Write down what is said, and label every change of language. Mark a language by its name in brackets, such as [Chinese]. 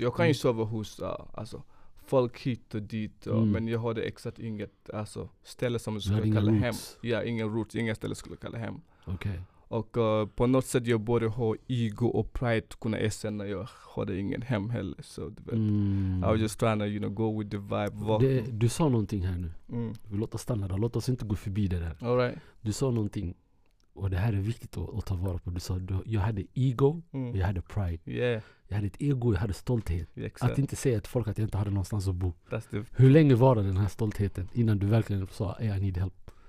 [Swedish] Jag kan ju sova hos alltså, folk hit och dit, men jag hade exakt inget alltså, ställe som jag skulle kalla hem. Ja, ingen roots, inga ställe skulle kalla hem. Okay. Och på något sätt jag borde ha ego och pride kunna erkänna jag hade ingen hem heller. [English] So, I was just trying to, you know, go with the vibe. [Swedish] Det, du sa någonting här nu. Mm. Låt oss stanna där. Låt oss inte gå förbi det där. [English] All right. [Swedish] Du sa någonting. Och det här är viktigt att ta vara på. Du sa du, jag hade ego och jag hade pride. [English] Yeah. [Swedish] Jag hade ett ego och jag hade stolthet. [English] Exactly. [Swedish] Att inte säga till folk att jag inte hade någonstans att bo. [English] That's the... [Swedish] Hur länge var den här stoltheten innan du verkligen sa [English] hey, I need help?